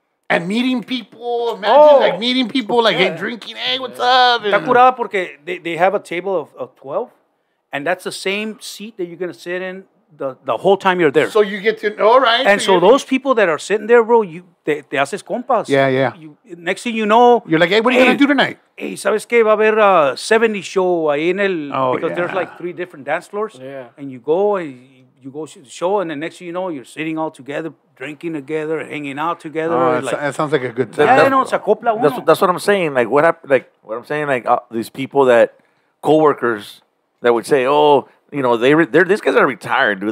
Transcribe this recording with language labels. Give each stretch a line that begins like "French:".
English: And meeting people. Imagine meeting people, drinking. Hey, what's up?
Spanish: Está curada porque
English: they have a table of 12, and that's the same seat that you're going to sit in the whole time you're there. So you get to know, right? And so those people that are sitting there, bro, you...
Spanish: Te haces compas.
English: Yeah, yeah. You, next thing you know... You're like, hey, what are you going to do tonight?
Spanish: Hey, ¿sabes qué? Va a haber a 70 show ahí en el...
English: Oh, because yeah. There's like three different dance floors. Yeah. And you go and you go to the show and the next thing you know, you're sitting all together, drinking together, hanging out together. That sounds like a good time.
Spanish: Yeah, no, se acopla uno.
English: That's what I'm saying. Like, these people that... co-workers that would say, oh... You know, these guys are retired, dude.